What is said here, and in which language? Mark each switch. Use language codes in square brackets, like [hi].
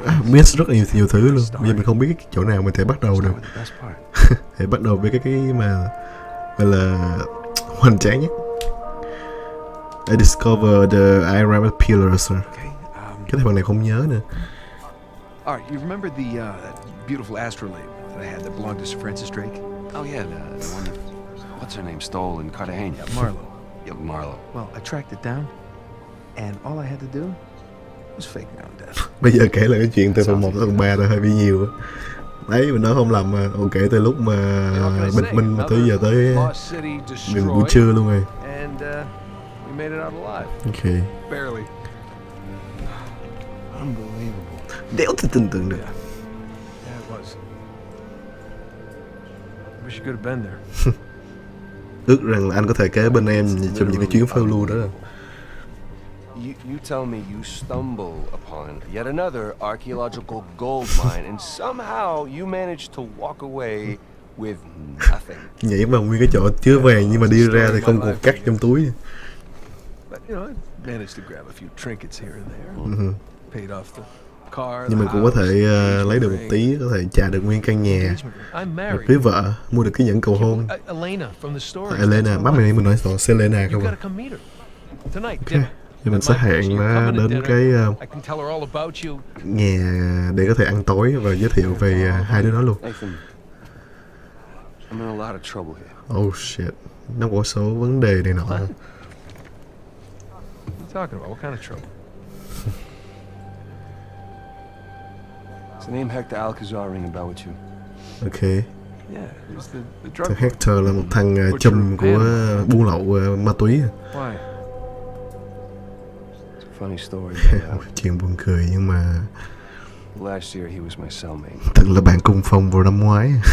[vi] Miss rất là nhiều thứ luôn. Bây giờ mình không biết cái chỗ nào mình thể bắt đầu được. Thể bắt đầu với cái mà gọi là hoành tráng nhất. [en] I discovered the iron pillar, sir. [vi] Cái thằng này không nhớ nữa. [en] Alright, you remember the beautiful astrolabe that I had that belonged to Sir Francis Drake? Oh yeah, the one that, what's her name, stole in Cartagena. Marlo. Yeah, Marlo. Well, I tracked it down, and all I had to do was fake my own death. [vi] Bây giờ kể là cái chuyện từ phần 1 tới phần 3 là hơi bị nhiều. Đấy, mình nói không lầm mà, ok, từ lúc mà bình minh mà tới giờ tới mình buổi trưa luôn rồi. [en] And, we made it out alive. Okay. Barely. Unbelievable. [vi] Đéo thể tin tưởng được. [en] Yeah, it was. I wish you could have been there. [vi] Ước rằng là anh có thể kế bên em trong những cái chuyến phiêu lưu đó. [en] You tell me you stumble upon yet another archaeological gold mine and somehow you manage to walk away with nothing. [vi] Nhảy vào nguyên cái chỗ chứa vàng nhưng mà đi ra thì không còn cắt trong túi. [en] But you know, I managed to grab a few trinkets here and there. Paid off the car. [vi] Nhưng mình cũng có thể lấy được một tí, có thể trả được nguyên căn nhà, một cưới vợ, mua được cái nhẫn cầu hôn. [en] Elena from the story. [vi] Elena, mắt mày mình nói xong, Selena không? [en] You gotta come meet her tonight. [vi] Thì mình sẽ hẹn nó đến cái nhà để có thể ăn tối và giới thiệu về hai đứa nó luôn. [en] I'm in a lot of trouble here. Oh shit. [vi] Nó có số vấn đề này nọ. [en] What are you talking about? What kind of trouble? Does the name Hector Alcazar ring a bell with you? Okay. Yeah, he's the drug. [vi] Thằng Hector là một thằng trùm của buôn lậu ma túy. [en] Why? Funny story. [vi] Chuyện buồn cười nhưng mà [en] last year he was my cellmate. [vi] Từng là bạn cùng phòng vào năm ngoái.